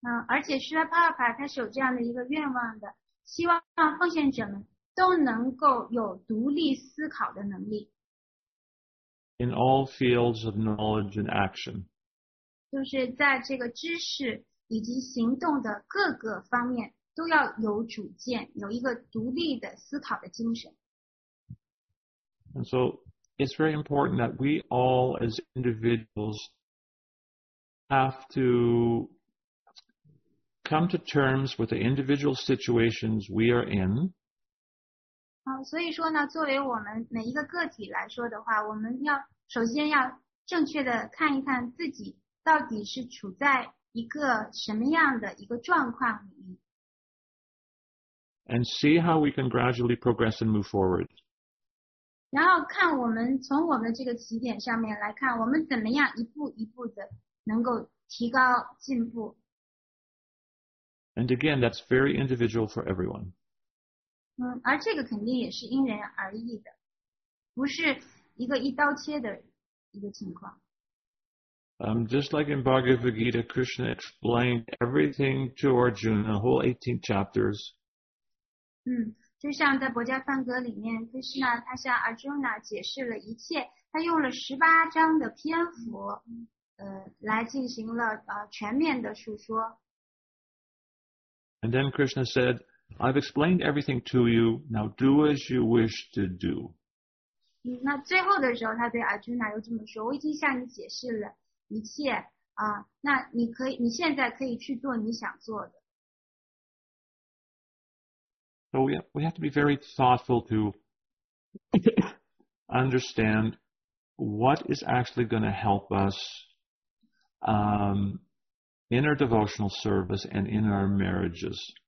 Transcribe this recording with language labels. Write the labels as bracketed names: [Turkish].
[Chinese] 而且 Srila Prabhupada 他是有这样的一个愿望的，希望奉献者们都能够有独立思考的能力。 [English] In all fields of knowledge and action. [Chinese] 就是在这个知识以及行动的各个方面都要有主见，有一个独立的思考的精神。 [English] And so it's very important that we all as individuals have to come to terms with the individual situations we are in. [Chinese] 所以说呢，作为我们每一个个体来说的话，我们要首先要正确的看一看自己到底是处在一个什么样的一个状况里面。 [English] And see how we can gradually progress and move forward. [Chinese] 然后看我们从我们这个起点上面来看，我们怎么样一步一步的能够提高进步。 [English] And again, that's very individual for everyone. [Chinese] 而这个肯定也是因人而异的，不是一个一刀切的一个情况。 [English] Just like in Bhagavad Gita, Krishna explained everything to Arjuna, the whole 18 chapters. [Chinese] 就像在《博迦梵歌》里面, Krishna 他向 Arjuna 解释了一切, 他用了18章的篇幅, 来进行了, 全面的述说。 [English] And then Krishna said, I've explained everything to you, now do as you wish to do. [Chinese] 那最后的时候, 他对 Arjuna 又这么说, 我已经向你解释了。一切, 那你可以, 你现在可以去做你想做的。 [English] So we have to be very thoughtful to understand what is actually going to help us in our devotional service and in our marriages.